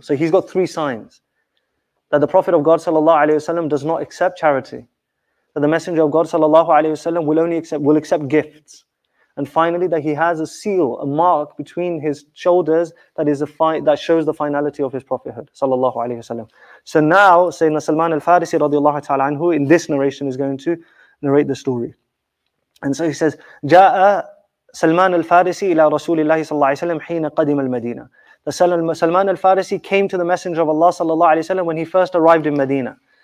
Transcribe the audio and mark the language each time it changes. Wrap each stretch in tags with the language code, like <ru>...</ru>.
<en>So he's got three signs: that the Prophet of God sallallahu alaihi wasallam does not accept charity, that the Messenger of God sallallahu alaihi wasallam will only accept gifts, and finally that he has a seal, a mark between his shoulders that shows the finality of his prophethood sallallahu alaihi wasallam. So now Sayyidina Salman al-Farisi radiallahu ta'ala anhu in this narration is going to narrate the story. And so he says,</en> <ar>جَاءَ سَلْمَانُ الْفَارِسِ إِلَى رَسُولِ اللَّهِ صَلَّى اللَّهُ عَلَيْهِ وَسَلَّمَ حِينَ قَدِمَ الْمَدِينَةَ.</ar> <en>Salman al-Farisi came to the Messenger of Allah sallallahu alayhi wa sallam when he first arrived in Medina.</en>